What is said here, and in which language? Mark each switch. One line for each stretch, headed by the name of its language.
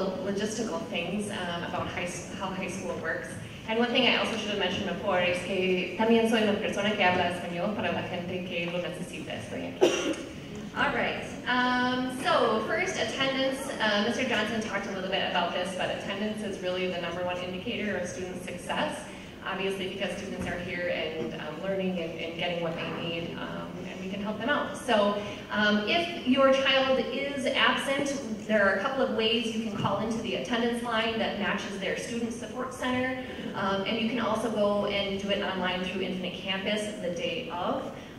English: Logistical things about how high school works. And one thing I also should have mentioned before is
Spanish: que también soy una persona que habla español para la gente que lo necesita.
English: All right. So first, attendance. Mr. Johnson talked a little bit about this, but attendance is really the number one indicator of student success, obviously because students are here and learning and getting what they need. Help them out. So if your child is absent, there are a couple of ways you can call into the attendance line that matches their student support center, and you can also go and do it online through Infinite Campus the day of.